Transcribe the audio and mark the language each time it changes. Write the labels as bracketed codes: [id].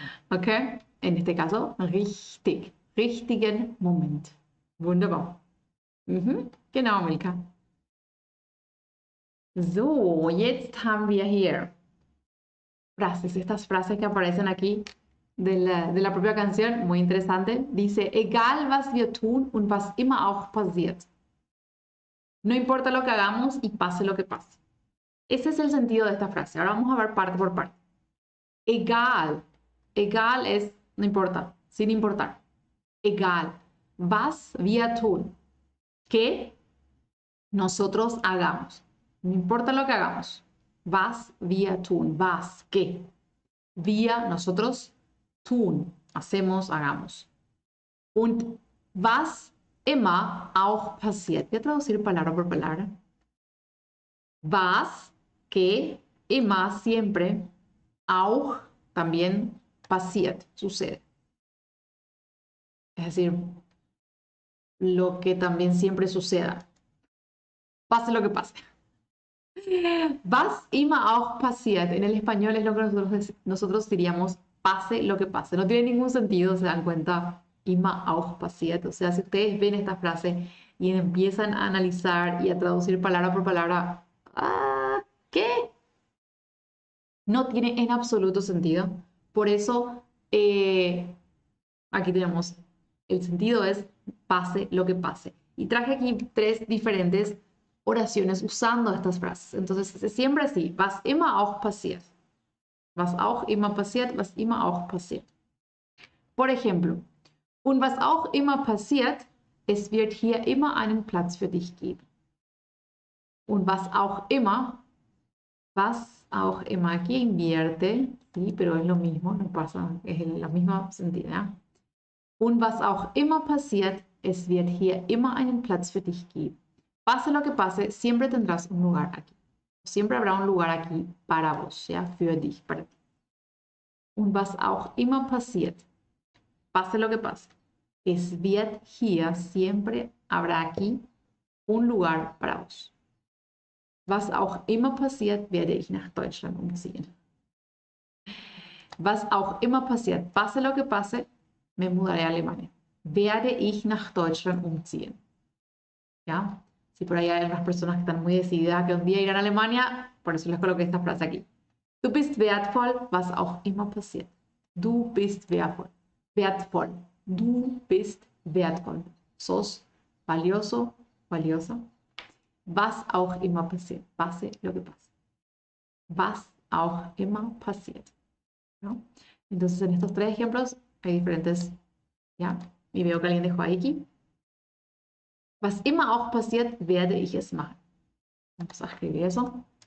[es] Ok, en este caso, richtig. Richtigen Moment. [de] Wunderbar. Genau, Milka. So, jetzt haben wir hier [es] frases, estas frases que aparecen aquí de la propia canción, muy interesante. [de] Dice, egal was wir tun und was immer auch passiert. [es] No importa lo que hagamos y pase lo que pase. Ese es el sentido de esta frase. Ahora vamos a ver parte por parte. Egal. Egal es no importa, sin importar. Egal. [de] Was wir tun. [es] ¿Qué nosotros hagamos? No importa lo que hagamos. [de] Was wir tun. Was, ¿qué? Wir, nosotros, tun. [es] Hacemos, hagamos. [de] Und was immer auch passiert. [es] Voy a traducir palabra por palabra. Was, ¿qué? Immer, siempre. Auch, también, passiert, sucede. Es decir, lo que también siempre suceda. Pase lo que pase. [de] Was immer auch passiert. [es] En el español es lo que nosotros diríamos, pase lo que pase. No tiene ningún sentido, se dan cuenta, [de] immer auch passiert. [es] O sea, si ustedes ven esta frase y empiezan a analizar y a traducir palabra por palabra, ¿ah, qué? No tiene en absoluto sentido. Por eso, aquí tenemos, el sentido es pase lo que pase. Y traje aquí tres diferentes oraciones usando estas frases. Entonces, es siempre así. [de] Was immer auch passiert. Was auch immer passiert. Was immer auch passiert. [es] Por ejemplo, [de] und was auch immer passiert, es wird hier immer einen Platz für dich geben. Und was auch immer, [es] aquí invierte, sí, pero es lo mismo, no pasa, es la misma sentido, ¿eh? [de] Und was auch immer passiert, es wird hier immer einen Platz für dich geben. [es] Pase lo que pase, siempre tendrás un lugar aquí. Siempre habrá un lugar aquí para vos, ¿ya? Für dich, para ti. [de] Und was auch immer passiert, [es] pase lo que pase, [de] es wird hier, [es] siempre habrá aquí un lugar para vos. [de] Was auch immer passiert, werde ich nach Deutschland umziehen. Was auch immer passiert, [es] pase lo que pase, me mudaré a Alemania. [de] Werde ich nach Deutschland umziehen. [es] ¿Ya? Si por ahí hay otras personas que están muy decididas a que un día irán a Alemania, por eso les coloqué esta frase aquí. [de] Du bist wertvoll, was auch immer passiert. Du bist wertvoll. Wertvoll. Du bist wertvoll. [es] Sos valioso, valiosa. [de] Was auch immer passiert. [es] Pase lo que pase. [de] Was auch immer passiert. [es] ¿No? Entonces, en estos tres ejemplos hay diferentes. ¿Ya? Y veo que alguien dejó ahí aquí. [de] Was immer auch passiert, werde ich es machen. [es] Vamos a escribir eso.